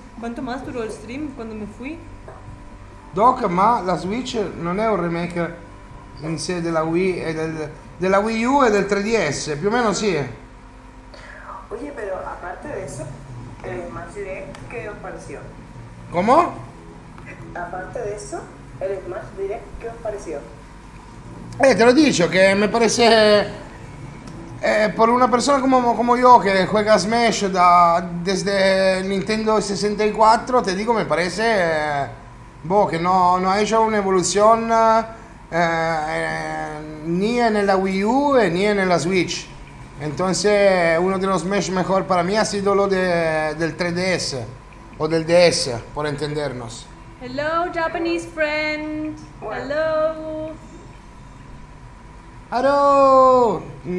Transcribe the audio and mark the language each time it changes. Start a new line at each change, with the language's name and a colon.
Spanish: ¿Cuánto más duró el stream cuando me fui?
Italian: Doc, ma la Switch non è un remake in sé della Wii e della Wii U e del 3DS, più o meno sì.
Spanish: Oye, pero aparte de eso, el Smash Direct, ¿qué os pareció? ¿Cómo? Aparte de eso, el Smash Direct, ¿qué os pareció?
Italian: Te lo dico, che mi
Spanish: parece...
Italian: per una persona come io che
Spanish: juega
Italian: Smash da
Spanish: desde
Italian: Nintendo 64, te dico, mi pare che non ha già un'evoluzione né nella Wii U e né nella Switch.
Spanish: Entonces, uno de los Smash mejor para mí ha sido lo del 3DS o del DS, por entendernos.
English: Hello Japanese friend. Hello. Hello.